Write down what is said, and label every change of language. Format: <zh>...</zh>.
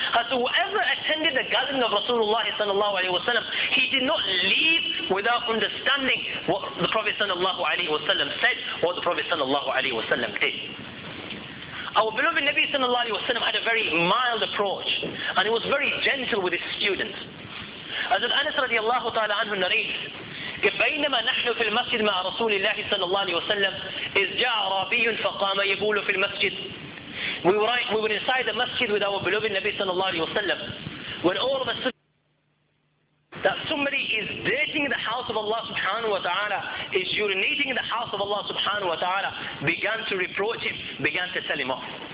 <en>As whoever attended the gathering of Rasulullah sallallahu alayhi wa sallam, he did not leave without understanding what the Prophet sallallahu alayhi wa sallam said, what the Prophet sallallahu alayhi wa sallam did. Our beloved Nabi sallallahu alayhi wa sallam had a very mild approach, and he was very gentle with his students. As Anas radiallahu ta'ala anhu narrates,</en> <ar>بينما نحن في المسجد مع رسول الله صلى الله عليه وسلم إذ جاء رابي فقام يبول في المسجد.</ar> <en>We were inside the masjid with our beloved Nabi صلى الله عليه وسلم, when all of a sudden that somebody is dirtying the house of Allah subhanahu wa ta'ala, is urinating the house of Allah subhanahu wa ta'ala, began to reproach him, began to tell him off.</en>